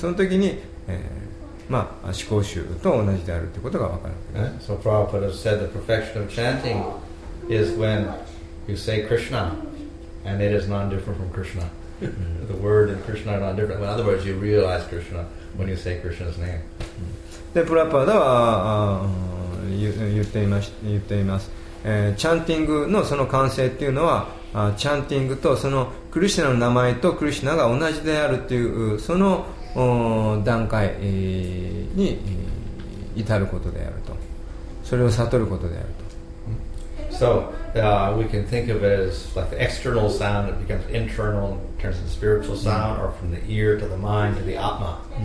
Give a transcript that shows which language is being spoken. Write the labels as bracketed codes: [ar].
[ja] その時に、まあ、思考集と同じであるということが分かるわけです [en] So Prabhupada said the perfection of chanting is when you say Krishna and it is not different from Krishna. The word and Krishna are not different. Well, in other words, you realize Krishna when you say Krishna's name. [ja] で、プラパダは言っています。チャンティングのその完成っていうのは、チャンティングとそのクリシナの名前とクリシナが同じであるっていう、その段階に至ることであると、それを悟ることであると。 [en] So we can think of it as like the external sound, it becomes internal in terms of spiritual sound, or from the ear to the mind to the atma.